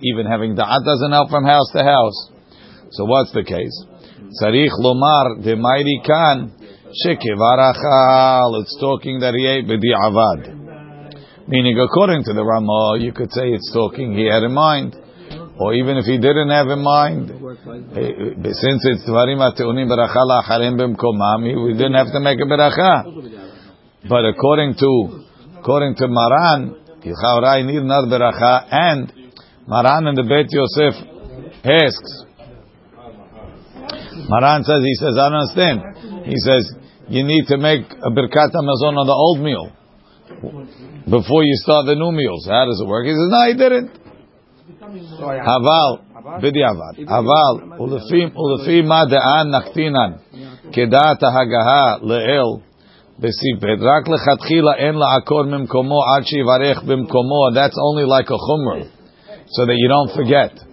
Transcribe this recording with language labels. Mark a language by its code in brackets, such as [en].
[en] Even having דעת doesn't help from house to house. So what's the case? [he] צריך לומר, דמיירי כאן, שכבר אכל, [en] it's talking that he ate [he] בדיעבד. [en] Meaning, according to the Rama, you could say it's talking he had in mind. Or even if he didn't have in mind, since it's [he] דברים הטעונים ברכה לאחרים במקומם, [en] we didn't have to make a ברכה. But according to Maran, Yichavrai need another beracha, and Maran in the Beit Yosef asks. Maran says, he says, I don't understand. He says, you need to make a Birkat HaMazon on the old meal before you start the new meals. How does it work? He says, no, he didn't. [he] Haval, bidyavad. Haval, ulefi ma de'an naktinan, kedat ha'gaha le'el, בסיפת, רק לחתחילה אין לעקור ממקומו עד שיברך במקומו, [en] that's only like a chumrah, so that you don't forget.